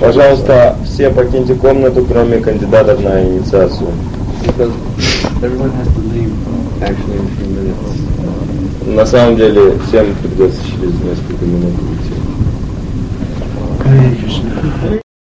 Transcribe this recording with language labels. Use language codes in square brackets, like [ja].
[ru] Пожалуйста, все покиньте комнату, кроме кандидатов на инициацию. [en] Because everyone has to leave actually in a few minutes. [ru] На самом деле, всем придется через несколько минут уйти.